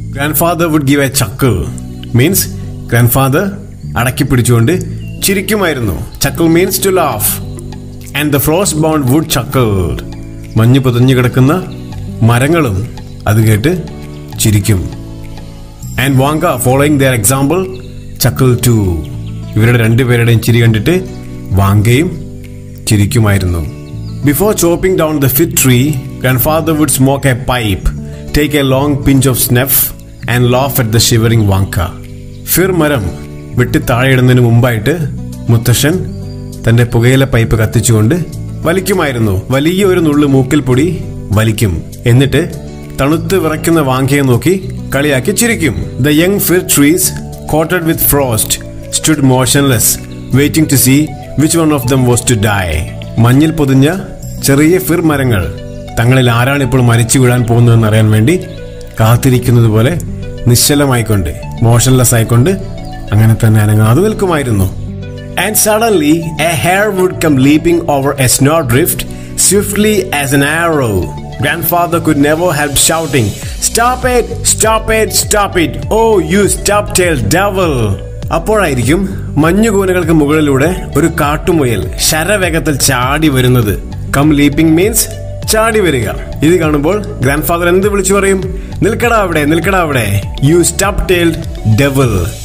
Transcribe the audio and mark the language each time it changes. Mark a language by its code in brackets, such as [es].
[en] Grandfather would give a chuckle means grandfather [ml] adakki pidichukondu chirikkumayirunnu. [en] Chuckle means to laugh and the frost-bound would chuckled. [ml] Manju pudinju kidakkunna marangalum adu kettu chirikkum. [en] And Vanka, following their example, chuckled too. [ml] ഇവരുടെ രണ്ടുപേരുടെയും ചിരി കണ്ടിട്ട് വാങ്കയും ചിരിക്കുമായിരുന്നു. [en] Before chopping down the fig tree, grandfather would smoke a pipe, take a long pinch of snuff and laugh at the shivering Vanka. [ml] ഫിർ മരം വിട്ട് താഴെയിടുന്നതിന് മുമ്പായിട്ട് മുത്തശ്ശൻ തൻ്റെ പുകയില പൈപ്പ് കത്തിച്ചുകൊണ്ട് വലിക്കുമായിരുന്നു. വലിയ ഒരു നുള്ളു മൂക്കിൽ പൊടി വലിക്കും. എന്നിട്ട് തണുത്ത് വിറയ്ക്കുന്ന വാങ്കയെ നോക്കി കളിയാക്കി ചിരിക്കും. [en] The young fir trees coated with frost stood motionless waiting to see which one of them was to die. [ml] മഞ്ഞിൽ പൊതിഞ്ഞ ചെറിയ ഫിർ മരങ്ങൾ തങ്ങളിൽ ആരാണിപ്പോൾ മരിച്ചു വീഴാൻ പോകുന്നതെന്ന് അറിയാൻ വേണ്ടി കാത്തിരിക്കുന്നതുപോലെ നിശ്ചലമായിക്കൊണ്ട് മോഷൻലെസ് ആയിക്കൊണ്ട് അങ്ങനെ തന്നെ അനങ്ങ് അത് നിൽക്കുമായിരുന്നു. [en] And suddenly a hare would come leaping over a snow drift swiftly as an arrow. Grandfather could never help shouting, "Stop it! Stop it! Stop it! Oh, you stub-tailed devil!" [ml] അപ്പോഴായിരിക്കും മഞ്ഞുകൂനകൾക്ക് മുകളിലൂടെ ഒരു കാട്ടുമുയൽ ശരവേഗത്തിൽ ചാടി വരുന്നത്. [en] come leaping means [ml] ചാടി വരിക. ഇത് കാണുമ്പോൾ grand father എന്ത് വിളിച്ചു പറയും? നിൽക്കടാ അവിടെ, നിൽക്കടാ അവിടെ, [en] You stub tailed devil.